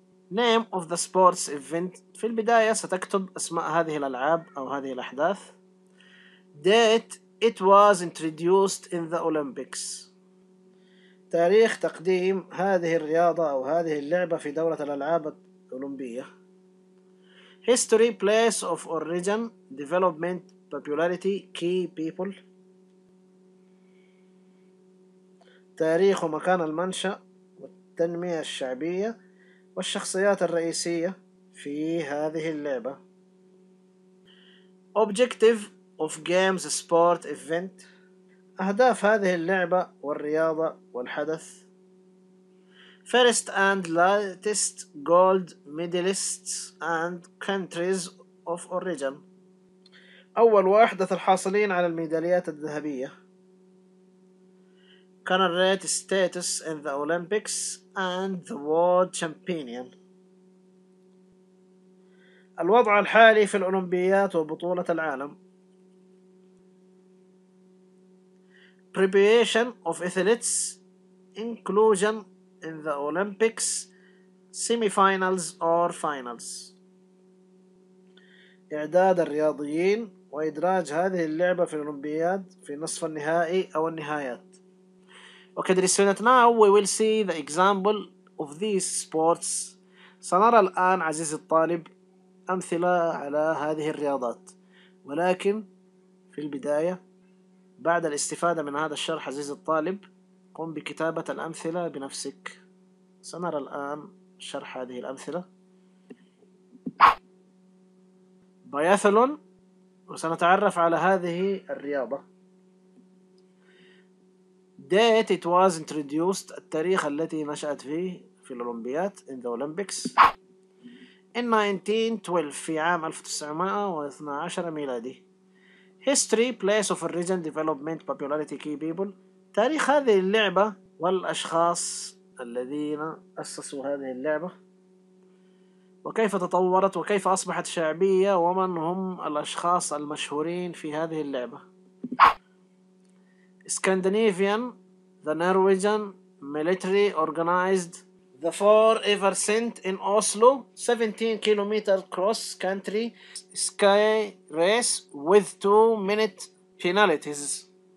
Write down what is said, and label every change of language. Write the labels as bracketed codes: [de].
[en] Name of the sports event. [ar] في البداية ستكتب أسماء هذه الألعاب أو هذه الأحداث. [en] Date it was introduced in the Olympics. [ar] تاريخ تقديم هذه الرياضة أو هذه اللعبة في دورة الألعاب الأولمبية. [en] History, place of origin, development, popularity, key people. [ar] تاريخ ومكان المنشأ والتنمية الشعبية والشخصيات الرئيسية في هذه اللعبة. [en] Objective of games, sport, event. [ar] أهداف هذه اللعبة والرياضة والحدث. [en] First and latest gold medalists and countries of origin. [ar] أول وأحدث الحاصلين على الميداليات الذهبية. [en] Current status in the Olympics and the world champion. [ar] الوضع الحالي في الأولمبيات وبطولة العالم. [en] Preparation of athletes, inclusion in the Olympics, semi-finals or finals. [ar] إعداد الرياضيين وإدراج هذه اللعبة في الأولمبياد في نصف النهائي أو النهايات. [en] Okay, dear student, now we will see the example of these sports. [ar] سنرى الآن عزيز الطالب أمثلة على هذه الرياضات، ولكن في البداية بعد الاستفادة من هذا الشرح عزيز الطالب قم بكتابة الأمثلة بنفسك. سنرى الآن شرح هذه الأمثلة. بايثلون، وسنتعرف على هذه الرياضة. [en] Date it was introduced، [ar] التاريخ التي نشأت فيه في الأولمبيات، [en] in the Olympics. In 1912، [ar] في عام 1912 ميلادي. [en] History, place of origin, development, popularity, key people. [ar] تاريخ هذه اللعبة والأشخاص الذين أسسوا هذه اللعبة وكيف تطورت وكيف أصبحت شعبية ومن هم الأشخاص المشهورين في هذه اللعبة. [en] Scandinavian, the Norwegian military organized the four ever sent in Oslo 17 kilometer cross country sky race with 2 minute penalties.